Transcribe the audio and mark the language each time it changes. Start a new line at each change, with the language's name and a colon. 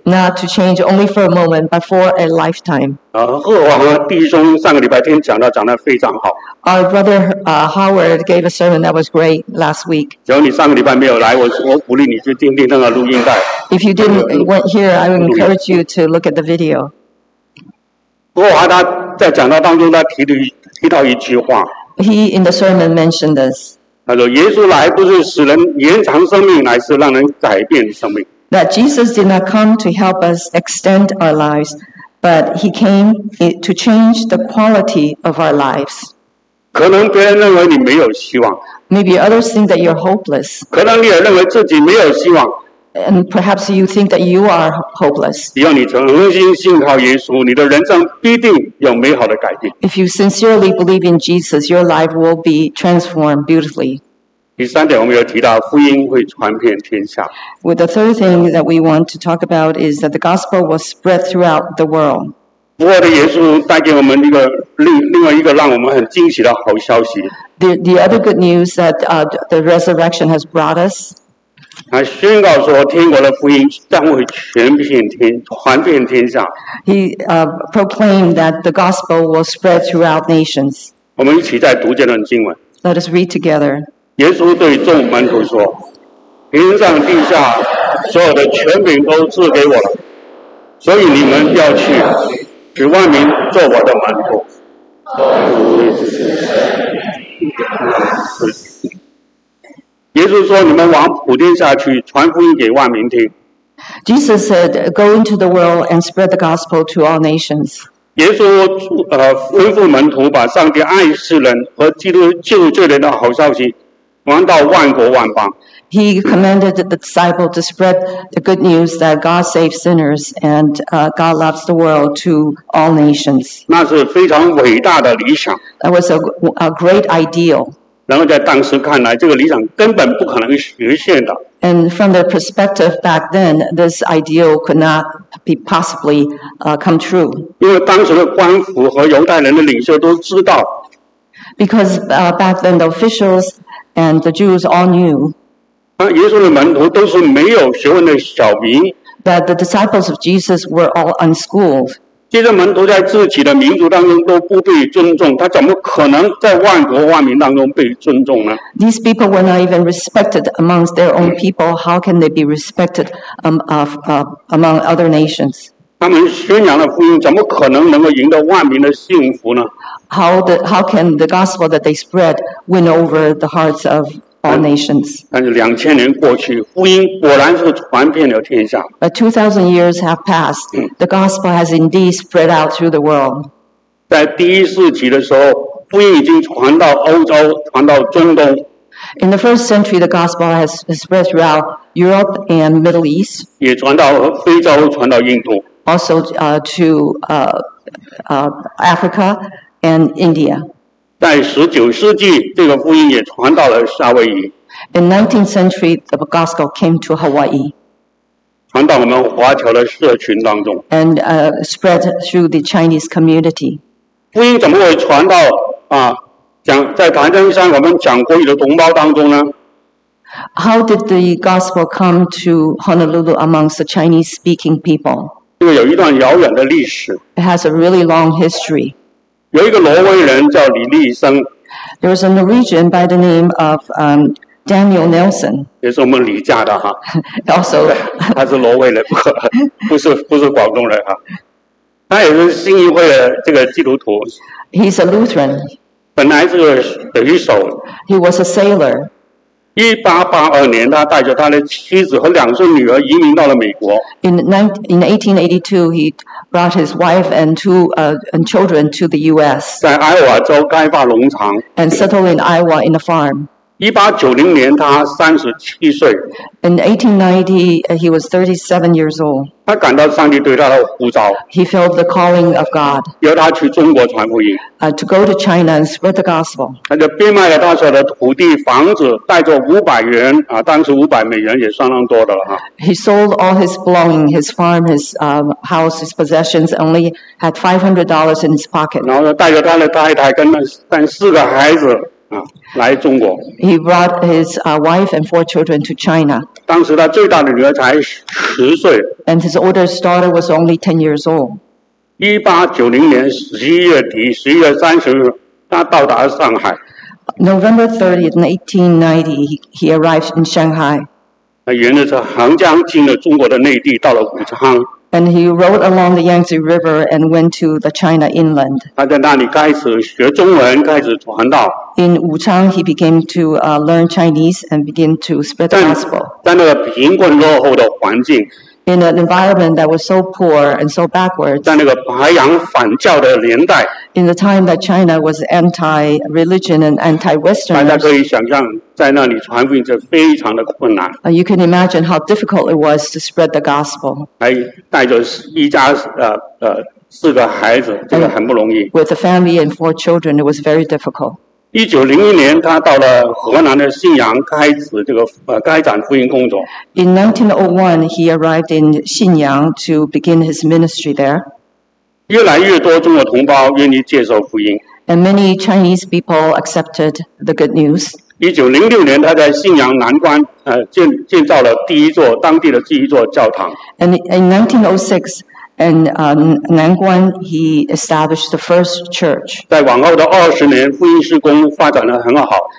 English: Not to change only for a moment, but for a lifetime.
Chinese: 贺王弟兄上个礼拜天讲到讲得非常好。
English: Our brother Howard gave a sermon that was great last week.
Chinese: 只要你上个礼拜没有来，我鼓励你去听听那个录音带。
English: If you didn't went here, I would encourage you to look at the video.
Chinese: 不过他在讲道当中，他提到一句话。
English: He in the sermon mentioned this.
Chinese: 他说：“耶稣来不是使人延长生命，乃是让人改变生命。”
English: That Jesus did not come to help us extend our lives, but he came to change the quality of our lives.
Chinese: 可能别人认为你没有希望。
English: Maybe others think that you're hopeless.
Chinese: 可能你也认为自己没有希望。
English: And perhaps you think that you are hopeless.
Chinese: 只要你重新信靠耶稣，你的人生必定有美好的改变。
English: If you sincerely believe in Jesus, your life will be transformed beautifully.
Chinese: 第三点，我们有提到福音会传遍天下。
English: With the third thing that we want to talk about is that the gospel will spread throughout the world.
Chinese: 复活的耶稣带给我们一个另外一个让我们很惊喜的好消息。
English: The other good news that the resurrection has brought us.
Chinese: 他宣告说，天国的福音将会传遍天下。
English: He proclaimed that the gospel will spread throughout nations.
Chinese: 我们一起再读这段经文。
English: Let us read together.
Chinese: 耶稣对众门徒说：“天上地下所有的权柄都赐给我了，所以你们要去。” 使万民做我的门徒。耶稣说：“你们往普天下去，传福音给万民听。”
English: Jesus said, "Go into the world and spread the gospel to all nations."
Chinese: 耶稣吩咐门徒把上帝爱世人和基督救罪人的好消息传到万国万邦。
English: He commanded the disciple to spread the good news that God saves sinners and God loves the world to all nations.
Chinese: 那是非常伟大的理想。
English: That was a great ideal.
Chinese: 然后在当时看来，这个理想根本不可能实现的。
English: And from the perspective back then, this ideal could not be possibly come true.
Chinese: 因为当时的官府和犹太人的领袖都知道。
English: Because back then the officials and the Jews all knew.
Chinese: 耶稣的门徒都是没有学问的小民。
English: That the disciples of Jesus were all unschooled.
Chinese: 这些门徒在自己的民族当中都不被尊重，他怎么可能在万国万民当中被尊重呢
English: ？These people were not even respected amongst their own people. How can they be respected among other nations?
Chinese: 他们宣扬的福音怎么可能能够赢得万民的幸福呢
English: ？How can the gospel that they spread win over the hearts of nations.
Chinese: 但是两千年过去，福音果然是传遍了天下。
English: But 2,000 years have passed. The gospel has indeed spread out through the world.
Chinese: 在第一世纪的时候，福音已经传到欧洲，传到中东。
English: In the first century, the gospel has spread throughout Europe and Middle East.
Chinese: 也传到非洲，传到印度。
English: Also to Africa and India.
Chinese: 在19世纪，这个福音也传到了夏威夷。
English: In 19th century, the gospel came to Hawaii.
Chinese: 传到我们华侨的社群当中。
English: And spread through the Chinese community.
Chinese: 福音怎么会传到啊？讲在檀香山我们讲国语的同胞当中呢？
English: How did the gospel come to Honolulu amongst the Chinese speaking people?
Chinese: 因为有一段遥远的历史。
English: It has a really long history.
Chinese: 有一个挪威人叫李立生。
English: There was a Norwegian by the name of Daniel Nelson.
Chinese: 也是我们李家的哈。
English: Also,
Chinese: 他是挪威人，不是广东人哈。他也是新义会的这个基督徒。
English: He's a Lutheran.
Chinese: 本来是个水手。
English: He was a sailor.
Chinese: 1882年，他带着他的妻子和两岁女儿移民到了美国。
English: In 1882, he brought his wife and two children to the U.S.
Chinese: 在爱荷华州开发农场。
English: And settled in Iowa in a farm.
Chinese: 1890年，他37岁。
English: In 1890, he was 37 years old.
Chinese: 他感到上帝对他的呼召。
English: He felt the calling of God.
Chinese: 要他去中国传福音。
English: To go to China and spread the gospel.
Chinese: 他就变卖了大小的土地、房子，带着500元啊，当时500美元也相当多的了哈。
English: He sold all his belongings, his farm, his house, his possessions, only had $500 in his pocket.
Chinese: 然后带着他的太太跟4个孩子。啊、来中国。
English: He brought his wife and 4 children to China.
Chinese: 当时他最大的女儿才10岁。
English: And his oldest daughter was only 10 years old.
Chinese: 1890年11月底，11月30日，他到达上海。
English: November 30th, 1890, he arrived in Shanghai.
Chinese: 他沿着这长江进了中国的内地，到了武昌。
English: And he rode along the Yangtze River and went to the China inland.
Chinese: 他在那里开始学中文，开始传道。
English: In Wuchang, he began to learn Chinese and begin to spread the gospel.
Chinese: 在那个贫困落后的环境。
English: In an environment that was so poor and so backwards.
Chinese: 在那个白洋反教的年代。
English: In the time that China was anti-religion and anti-Western.
Chinese: 大家可以想象，在那里传福音是非常的困难。
English: You can imagine how difficult it was to spread the gospel.
Chinese: 还带着一家四个孩子，这个很不容易。
English: With a family and 4 children, it was very difficult.
Chinese: 1901年，他到了河南的信阳，开始这个开展福音工作。
English: In 1901, he arrived in Xinyang to begin his ministry there.
Chinese: 越来越多中国同胞愿意接受福音。
English: And many Chinese people accepted the good news.
Chinese: 1906年，他在信阳南关建造了第一座当地的第一座教堂。
English: And in 1906. And Nanguan, he established the first church.
Chinese: 在往后的20年，福音事工发展得很好。